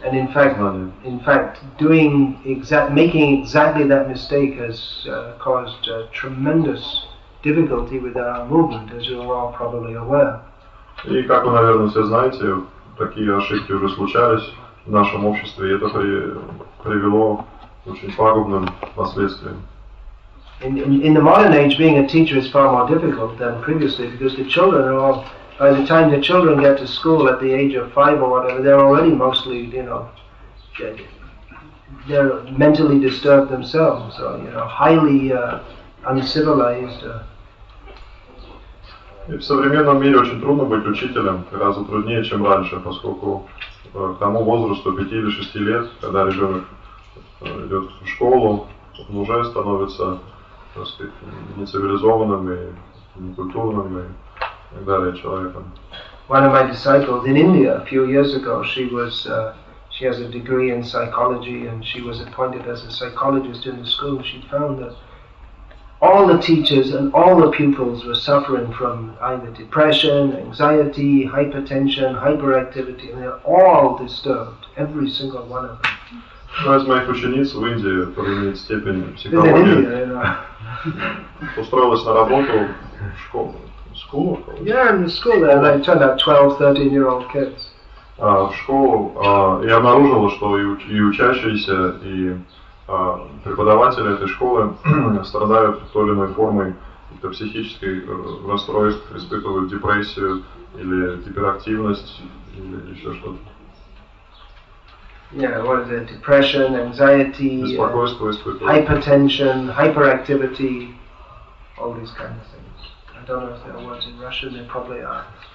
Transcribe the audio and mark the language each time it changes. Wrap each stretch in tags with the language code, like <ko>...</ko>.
<en>And in fact, making exactly that mistake has caused tremendous difficulty with our movement, as you are all probably aware.</en> <ru>И как вы, наверное, все знаете, такие ошибки уже случались в нашем обществе, и это привело к очень пагубным последствиям.</ru> <en>In the modern age, being a teacher is far more difficult than previously, because the children are all, by the time the children get to school at the age of 5 or whatever, they're already mostly, you know, they're mentally disturbed themselves, so, you know, highly uncivilized.</en> <ru>И в современном мире очень трудно быть учителем, гораздо труднее, чем раньше, поскольку к тому возрасту 5 или 6 лет, когда ребенок идет в школу, он уже становится, так сказать, нецивилизованным и некультурным и так далее человеком.</ru> <en>One of my disciples in India a few years ago, she has a degree in psychology, and she was appointed as a psychologist in the school. She found that all the teachers and all the pupils were suffering from either depression, anxiety, hypertension, hyperactivity, and they were all disturbed, every single one of them.</en> <ru>Одна из моих учениц в Индии, которая имеет степень психологии, устроилась на работу в школу.</ru> <en>Yeah, in the school there, they turned out 12, 13-year-old kids.</en> <ru>В школу, и обнаружила, что и учащиеся, и преподаватели этой школы страдают той или иной формой каких-то психических расстройств, испытывают депрессию или гиперактивность или еще что-то.</ru> <en>Yeah, what is it? Depression, anxiety, hypertension, hyperactivity, all these kinds of things. I don't know if there are words in Russian, they probably are.</en>